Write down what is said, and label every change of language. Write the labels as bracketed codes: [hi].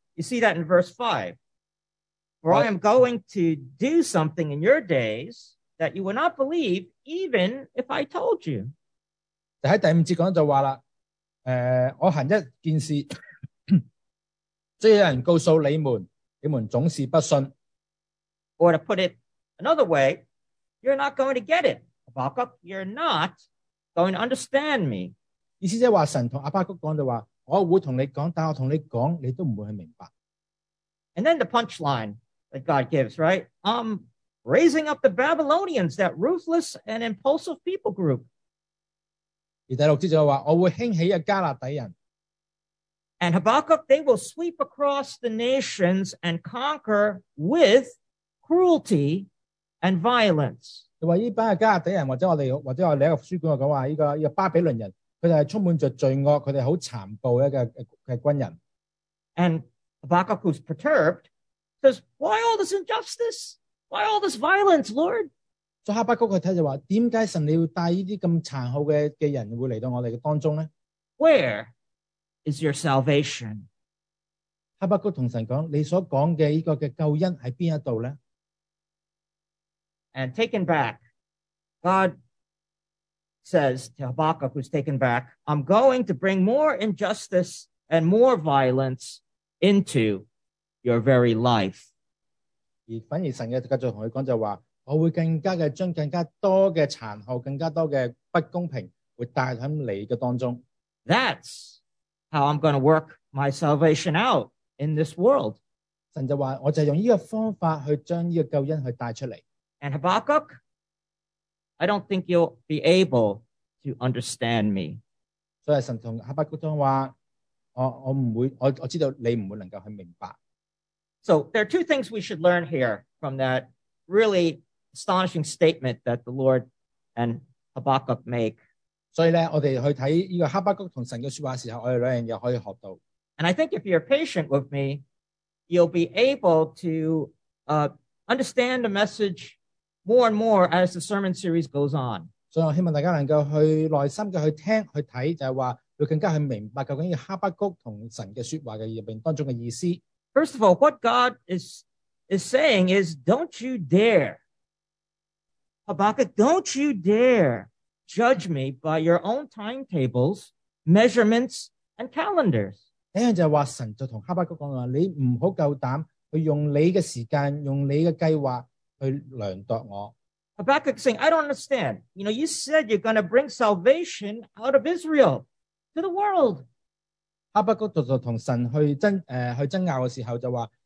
[en] You see that in verse 5. For I am going to do something in your days that you will not believe even if I told you. [yue] 就喺第五节讲就话啦。我行一件事，即有人告诉你们，你们总是不信。 [en] Or to put it another way, you're not going to get it. Habakkuk, you're not going to understand me. [yue] 意思即话神同阿巴谷讲就话，我会同你讲，但我同你讲，你都唔会去明白。 [en] And then the punchline that God gives, right? I'm raising up the Babylonians, that ruthless and impulsive people group. [yue] 而第六节就话，我会兴起一加勒底人。 [en] And Habakkuk, they will sweep across the nations and conquer with cruelty and violence. [yue] 就话呢班嘅加勒底人，或者我另一个书卷又讲话，呢个巴比伦人，佢哋系充满着罪恶，佢哋好残暴嘅军人。 [en] And Habakkuk, who's perturbed, says, "Why all this injustice? Why all this violence, Lord?" [yue] So, 哈巴谷佢睇就话，点解神你要带呢啲咁残酷嘅人会嚟到我哋嘅当中呢 [en] ？Where is your salvation？ [yue] 哈巴谷同神讲，你所讲嘅呢个嘅救恩喺边一度呢 [en] ？And taken back, God says to Habakkuk, who's taken back, "I'm going to bring more injustice and more violence into your very life." [yue] 而反而神嘅继续同佢讲就话。我会更加嘅将更加多嘅残酷、更加多嘅不公平，会带喺你嘅当中。 [en] That's how I'm going to work my salvation out in this world。 [yue] 神就话，我就用呢个方法去将呢个救恩去带出嚟。 [en] And Habakkuk, I don't think you'll be able to understand me。 [yue] 所以神同哈巴谷讲话，我知道你唔会能够去明白。 [en] So there are two things we should learn here from that. Really astonishing statement that the Lord and Habakkuk make. [yue] 所以咧，我哋去睇呢个哈巴谷同神嘅说话时候，我哋两样嘢可以学到。 [en] And I think if you're patient with me, you'll be able to understand the message more and more as the sermon series goes on. [yue] 所以我希望大家能够去耐心嘅去听去睇，就系话会更加去明白究竟哈巴谷同神嘅说话嘅入边当中嘅意思。 [en] First of all, what God is saying is, don't you dare, Habakkuk, don't you dare judge me by your own timetables, measurements, and calendars. [yue] 第一就话神就同哈巴谷讲话，你唔好够胆去用你嘅时间，用你嘅计划去量度我。 [en] Habakkuk saying, I don't understand. You know, you said you're going to bring salvation out of Israel to the world. [yue] 哈巴谷就同神去争拗嘅时候就话。